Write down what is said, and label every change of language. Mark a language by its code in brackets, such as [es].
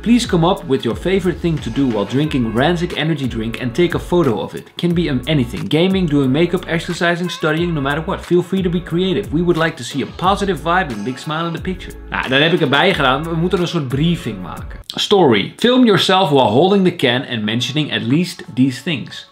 [en] Please come up with your favorite thing to do while drinking Ranzig energy drink and take a photo of it. Can be anything. Gaming, doing makeup, exercising, studying, no matter what. Feel free to be creative. We would like to see a positive vibe and big smile in the picture. [nl] Nou, dan heb ik erbij gedaan. We moeten een soort briefing maken. [en] Story. Film yourself while holding the can and mentioning at least these things.